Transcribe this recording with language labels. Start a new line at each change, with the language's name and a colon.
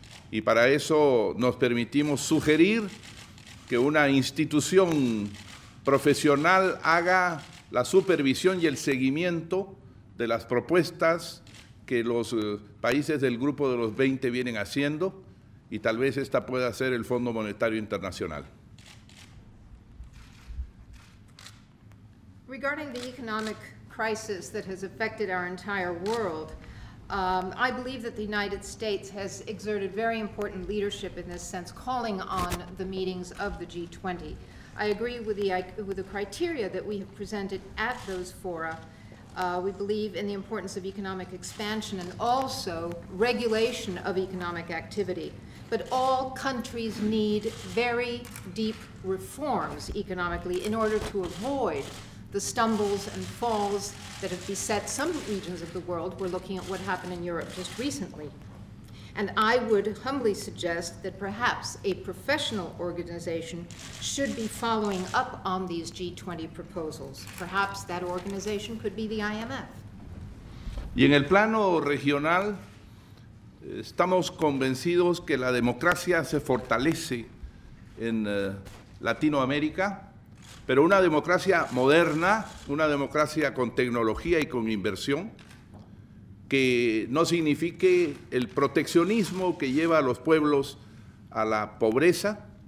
Spanish: Y para eso nos permitimos sugerir que una institución profesional haga la supervisión y el seguimiento de las propuestas que los países del Grupo de los 20 vienen haciendo. Y tal vez esta pueda ser el Fondo Monetario Internacional.
English: Regarding the economic crisis that has affected our entire world, I believe that the United States has exerted very important leadership in this sense, calling on the meetings of the G20. I agree with the criteria that we have presented at those fora. We believe in the importance of economic expansion and also regulation of economic activity. But all countries need very deep reforms economically in order to avoid the stumbles and falls that have beset some regions of the world. We're looking at what happened in Europe just recently. And I would humbly suggest that perhaps a professional organization should be following up on these G20 proposals. Perhaps that organization could be the IMF.
Spanish: Y en el plano regional, estamos convencidos que la democracia se fortalece en Latinoamérica. Pero una democracia moderna, una democracia con tecnología y con inversión, que no signifique el proteccionismo que lleva a los pueblos a la pobreza.